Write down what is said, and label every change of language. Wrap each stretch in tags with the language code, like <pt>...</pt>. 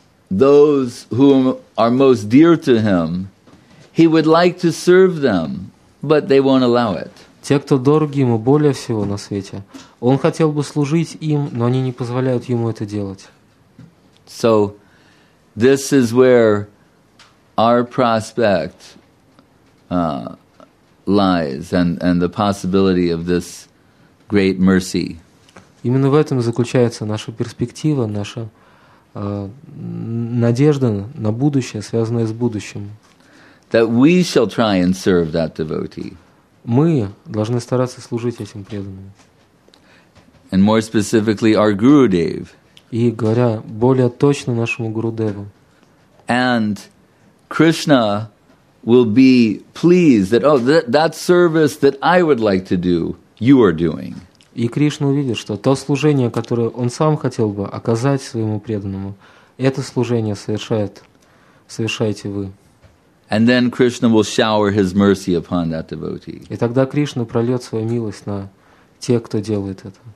<en>Those who are most dear to him, he would like to serve them, but they won't allow it.</en> <ru>Те, кто дороги ему более всего на свете, он хотел бы служить им, но они не позволяют ему это делать.</ru> <en>So, this is where our prospect lies, and the possibility of this great mercy.</en> <ru>Именно в этом заключается наша перспектива, наша надежда на будущее, связанная с будущим.</ru> <en>That we shall try and serve that devotee.</en> <ru>Мы должны стараться служить этим преданным.</ru> <en>And more specifically, our Gurudev.</en> <ru>И говоря более точно нашему Гурудеву.</ru> <en>And Krishna will be pleased that, oh, that service that I would like to do, you are doing.</en> <ru>И Кришна увидит, что то служение, которое он сам хотел бы оказать своему преданному, это служение совершаете вы.</ru> <en>And then Krishna will shower his mercy upon that devotee.</en> <ru>И тогда Кришна прольет свою милость на тех, кто делает это.</ru>